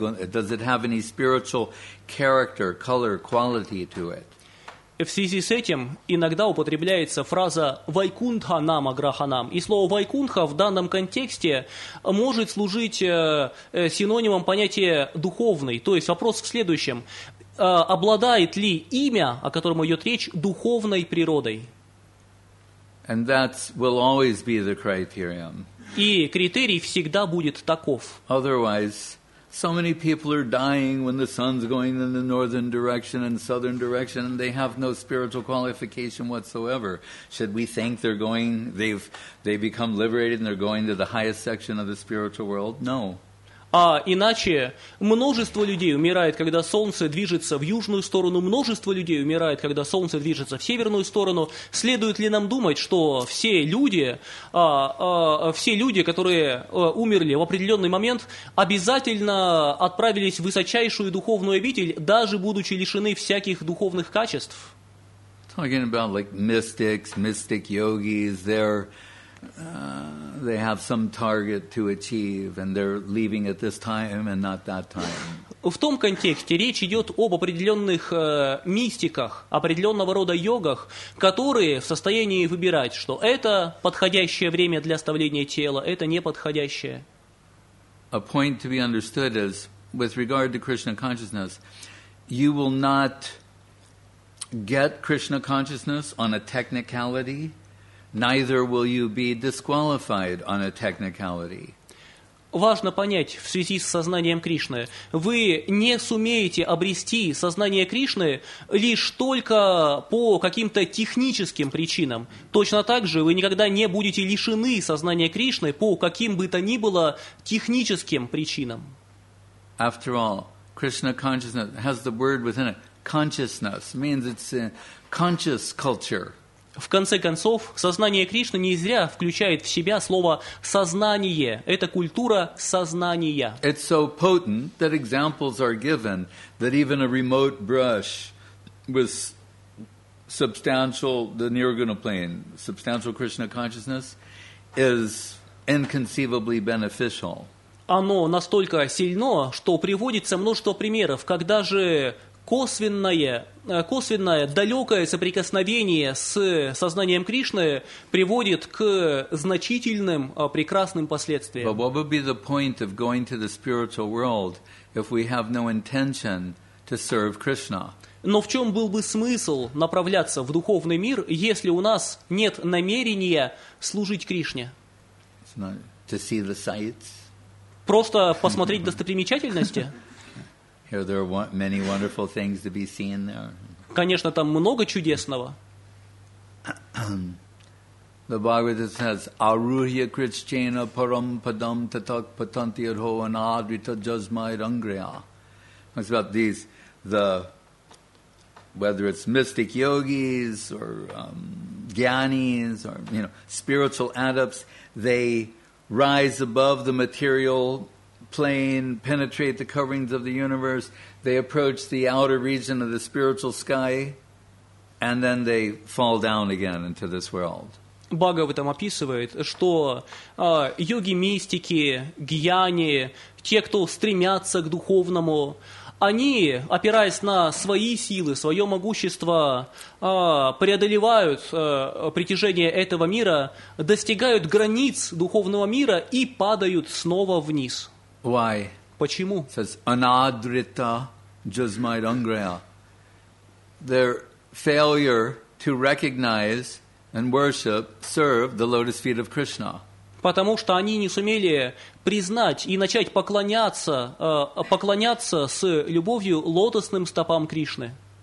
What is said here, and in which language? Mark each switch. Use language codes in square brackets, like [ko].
[en] Does it have any spiritual character, color, quality to it? [ru] В связи с этим иногда употребляется фраза [sa] «Вайкунтха нама граханам». [ru] И слово «Вайкунтха» в данном контексте может служить синонимом понятия «духовный». То есть вопрос в следующем. Обладает ли имя, о котором идет речь, духовной природой? [en] And that will always be the criterion. [ru] И критерий всегда будет таков. [en] Otherwise, so many people are dying when the sun's going in the northern direction and southern direction, and they have no spiritual qualification whatsoever. Should we think they're going, they've become liberated and they're going to the highest section of the spiritual world? No. [ru] А иначе множество людей умирает, когда солнце движется в южную сторону, множество людей умирает, когда солнце движется в северную сторону. Следует ли нам думать, что все люди, которые умерли в определенный момент, обязательно отправились в высочайшую духовную обитель, даже будучи лишены всяких духовных качеств? [en] Talking about like mystics, mystic yogis, they're... they have some target to achieve, and they're leaving at this time and not that time. [ru] В том контексте речь идет об определенных мистиках, определенного рода йогах, которые в состоянии выбирать, что это подходящее время для оставления тела, это неподходящее. [en] A point to be understood is, with regard to Krishna consciousness, you will not get Krishna consciousness on a technicality. Neither will you be disqualified on a technicality. [ru] Важно понять, в связи с сознанием Кришны, вы не сумеете обрести сознание Кришны лишь только по каким-то техническим причинам. Точно так же вы никогда не будете лишены сознания Кришны по каким бы то ни было техническим причинам. [en] After all, Krishna consciousness has the word within it. Consciousness means it's a conscious culture. [ru] В конце концов, сознание Кришны не зря включает в себя слово «сознание». Это культура сознания. [en] It's so potent that examples are given that even a remote brush with substantial, the nirguna plane, substantial Krishna consciousness is inconceivably beneficial. [ru] Оно настолько сильно, что приводится множество примеров, когда же косвенное, далекое соприкосновение с сознанием Кришны приводит к значительным, прекрасным последствиям. [en] But what would be the point of going to the spiritual world if we have no intention to serve Krishna? [ru] Но в чем был бы смысл направляться в духовный мир, если у нас нет намерения служить Кришне? [en] It's not to see the sights. [ru] Просто посмотреть достопримечательности? [en] Here there are many wonderful things to be seen there. [ru] Конечно, там много чудесного. [en] The Bhagavata says, [sa] "Aruhya krishchena param padam tatak patanti adho anadrita jasmai rangriya." [en] It's about these, the whether it's mystic yogis or gyanis or spiritual adepts, they rise above the material plane, penetrate the coverings of the universe, they approach the outer region of the spiritual sky, and then they fall down again into this world. [ru] Бхагаватам описывает, что йоги-мистики, гьяни, те, кто стремятся к духовному, они, опираясь на свои силы, свое могущество, преодолевают притяжение этого мира, достигают границ духовного мира и падают снова вниз. [en] Why? [ru] Почему? [en] It says [sa] anadrita jasmai rangriya. [en] Their failure to recognize and worship, serve the lotus feet of Krishna. [ru] Потому что они не сумели признать и начать поклоняться с любовью лотосным стопам Кришны.